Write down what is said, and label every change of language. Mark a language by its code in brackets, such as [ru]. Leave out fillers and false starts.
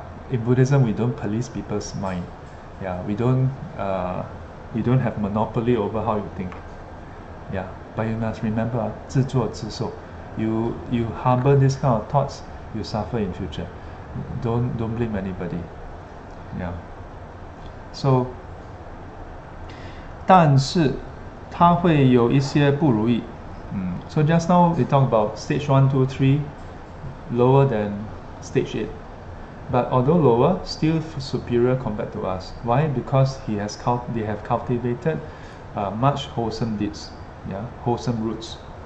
[en] In Buddhism, we don't police people's mind. Yeah, we don't have monopoly over how you think. Yeah, but you must remember, [zh] 自作自受. [en] You harbor these kind of thoughts, you suffer in future. Don't blame anybody. Yeah. [zh] So, 但是它会有一些不如意. [en] So just now we talk about stage 1, 2, 3, lower than stage 8. But although lower, still superior compared to us. Why? Because they have cultivated much wholesome deeds, yeah, wholesome roots.